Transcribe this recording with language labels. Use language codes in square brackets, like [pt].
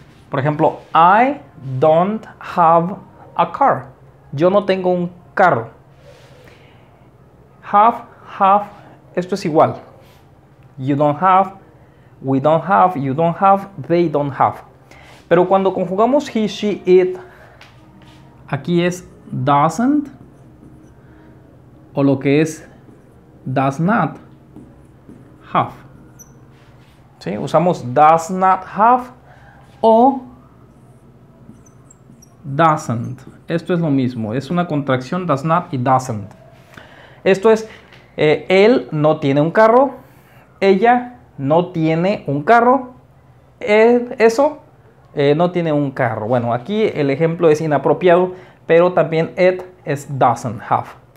[es] Por ejemplo, [en] I don't have a car. [es] Yo no tengo un carro. Have, esto es igual. [en] You don't have, we don't have, you don't have, they don't have. [es] Pero cuando conjugamos he, she, it, aquí es doesn't, o lo que es does not have. ¿Sí? Usamos does not have o doesn't. Esto es lo mismo, es una contracción, does not y doesn't. Esto es, él no tiene un carro, ella no tiene un carro, no tiene un carro. Bueno, aquí el ejemplo es inapropiado, pero también it es doesn't have.